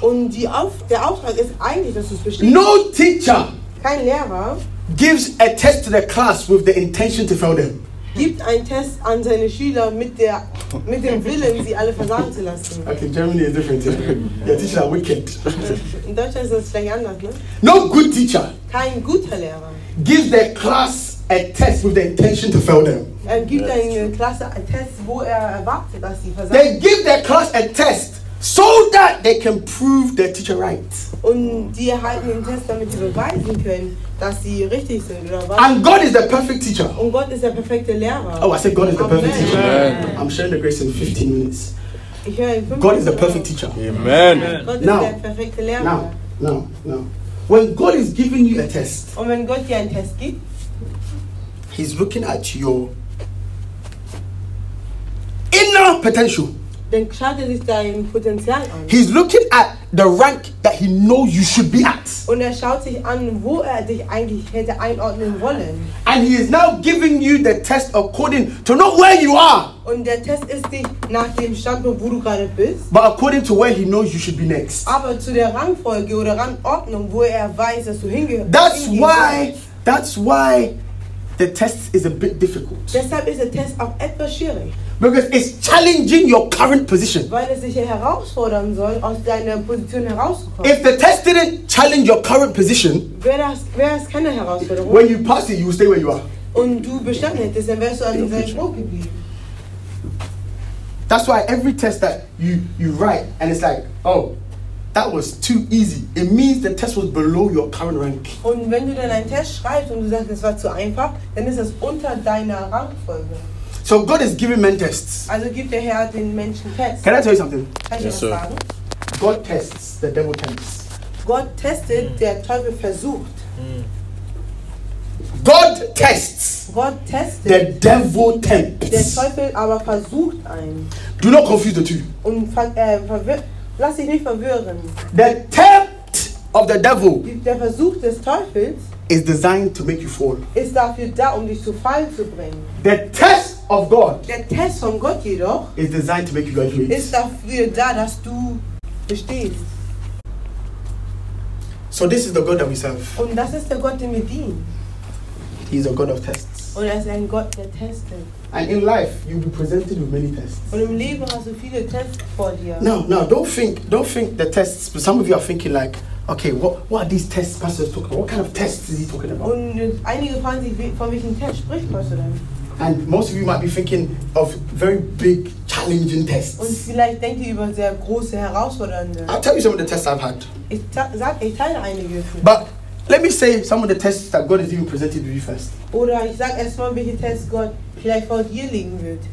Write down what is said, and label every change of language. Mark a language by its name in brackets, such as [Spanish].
[German] Und der Auftrag ist eigentlich, dass du es bestehst. [English] No teacher, [German] kein Lehrer, [English] gives a test to the class with the intention to fail them. [German] gibt einen Test an seine Schüler mit dem Willen, sie alle versagen zu lassen. [English] Okay, Germany is different. Your teachers are wicked. [German] In Deutschland ist das vielleicht anders, ne? [English] No good teacher. [German] Kein guter Lehrer. [English] Give the class a test with the intention to fail them. [German] Er gibt einer Klasse einen Test, wo er erwartet, dass sie versagen. [English] They give their class a test so that they can prove their teacher right. [German] Und die erhalten den Test, damit sie beweisen können, dass sie richtig sind, oder was? [English] And God is the perfect teacher. [German] Und Gott ist der perfekte Lehrer. [English] Oh, I said God is the perfect Amen. Teacher. Amen. I'm sharing the grace in 15 minutes. [German] Ich höre in 15 [English] God is the perfect teacher. Amen. Amen. [German] Gott ist der perfekte Lehrer. [English] No. When God is giving you a test, [German] und wenn Gott dir einen Test gibt, [English] He's looking at your inner potential. [German] Dann schaut er sich dein Potenzial an. [English] He's looking at the rank that he knows you should be at. [German] Und er schaut sich an, wo er dich eigentlich hätte einordnen wollen. [English] And he is now giving you the test according to not where you are. [German] Und der Test ist nicht nach dem Standpunkt, wo du gerade bist. [English] But according to where he knows you should be next. [German] Aber zu der Rangfolge oder Rangordnung, wo er weiß, dass du hingehörst. [English] That's why the test is a bit difficult. [German] Deshalb ist der Test auch etwas schwierig. [English] Because it's challenging your current position. [German] Weil es dich herausfordern soll, aus deiner Position herauszukommen. [English] If the test didn't challenge your current position, [German] wäre es keine Herausforderung. [English] When you pass it, you stay where you are. [German] Und du bestanden hättest, dann wärst du an deinem Punkt geblieben. [English] That's why every test that you write and it's like, oh, that was too easy. It means the test was below your current rank. [German] Und wenn du dann einen Test schreibst und du sagst, es war zu einfach, dann ist es unter deiner Rangfolge. [English] So God is giving men tests. [German] Also gibt der Herr den Menschen Tests. [English] Can I tell you something? [German] Kann ich [English] yes, sir. [German] Sagen? [English] God tests, the devil tempts. God tested, [German] der Teufel versucht. [English] God tests. God tested. The devil tempts. [German] Der Teufel aber versucht einen. [English] Do not confuse the two. [German] Und lass dich nicht verwirren. [English] The tempt of the devil. [German] Der Versuch des Teufels [English] is designed to make you fall. [German] Ist dafür da, um dich zu Fall zu bringen. [English] The test of God. [German] Der Test von Gott jedoch [English] is designed to make you graduate. [German] Ist dafür da, dass du bestehst. [English] So this is the God that we serve. [German] Und das ist der Gott, den wir dienen. [English] He's a God of tests. [German] Und er ist ein Gott, der testet. [English] And in life, you'll be presented with many tests. [German] Und im Leben hast du viele Tests vor dir. [English] No, don't think the tests. But some of you are thinking like, okay, what are these tests pastors talking about? What kind of tests is he talking about? [German] Und einige fragen sich, von welchen Tests spricht Pastor denn? [English] And most of you might be thinking of very big, challenging tests. [German] Und vielleicht denkt ihr über sehr große, herausfordernde. [English] I'll tell you some of the tests I've had. [German] Ich teile einige. [English] But let me say some of the tests that God has even presented to you first. [German] Oder ich sag erstmal, welche Tests Gott vielleicht vor dir legen wird.